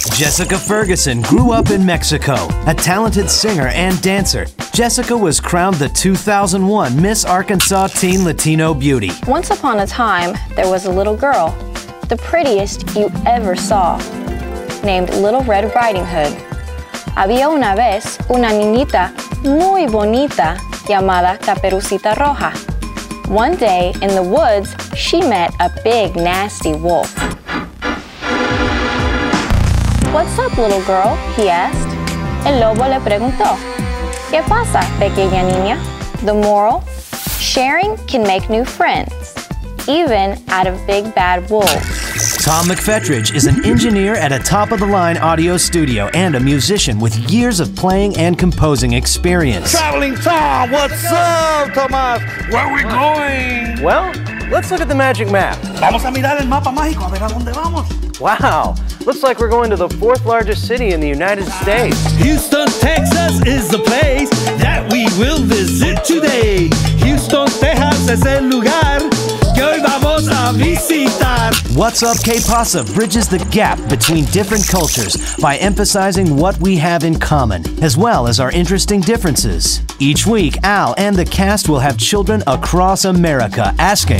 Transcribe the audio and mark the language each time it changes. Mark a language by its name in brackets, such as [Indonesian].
[English] Jessica Ferguson grew up in Mexico. A talented singer and dancer, Jessica was crowned the 2001 Miss Arkansas Teen Latino Beauty. Once upon a time, there was a little girl, the prettiest you ever saw, named Little Red Riding Hood. [Spanish] Había una vez una niñita muy bonita llamada Caperucita Roja. [English] One day in the woods, she met a big nasty wolf. What's up, little girl? He asked. [Spanish] El lobo le preguntó. ¿Qué pasa, pequeña niña? [English] The moral? Sharing can make new friends, even out of big bad wolves. Tom McFetridge is an engineer at a top-of-the-line audio studio and a musician with years of playing and composing experience. Traveling Tom, what's up, Tomas? Where are we going? Well, let's look at the magic map. [Spanish] Vamos a mirar el mapa mágico, a ver a dónde vamos. [English] Wow, looks like we're going to the 4th largest city in the United States. Houston, Texas is the place that we will visit today. [Spanish] Houston, Texas es el lugar que hoy vamos a visitar. [English] What's Up, [Spanish] ¿Qué pasa? [English] Bridges the gap between different cultures by emphasizing what we have in common, as well as our interesting differences. Each week, Al and the cast will have children across America asking,